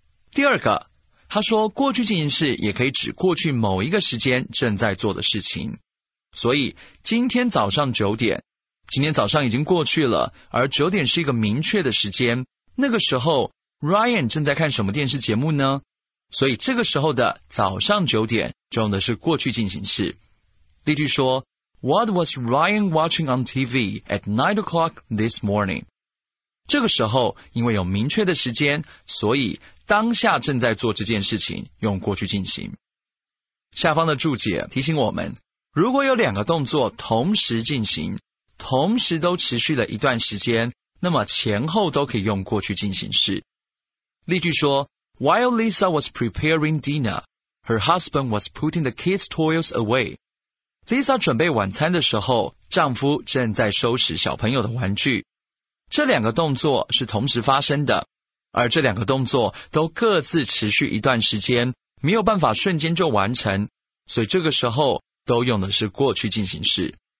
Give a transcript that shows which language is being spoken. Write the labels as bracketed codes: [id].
[zh] 第二个，他说过去进行式也可以指过去某一个时间正在做的事情。所以今天早上九点，今天早上已经过去了，而九点是一个明确的时间，那个时候 Ryan 正在看什么电视节目呢？所以这个时候的早上九点就用的是过去进行式。例句说 [en] What was Ryan watching on TV at 9 o'clock this morning? [zh] 这个时候因为有明确的时间，所以当下正在做这件事情用过去进行。下方的注解提醒我们，如果有两个动作同时进行，同时都持续了一段时间，那么前后都可以用过去进行式。例句说 [en] While Lisa was preparing dinner, her husband was putting the kids' toys away. [zh] Lisa 准备晚餐的时候，丈夫正在收拾小朋友的玩具。这两个动作是同时发生的，而这两个动作都各自持续一段时间，没有办法瞬间就完成，所以这个时候都用的是过去进行式。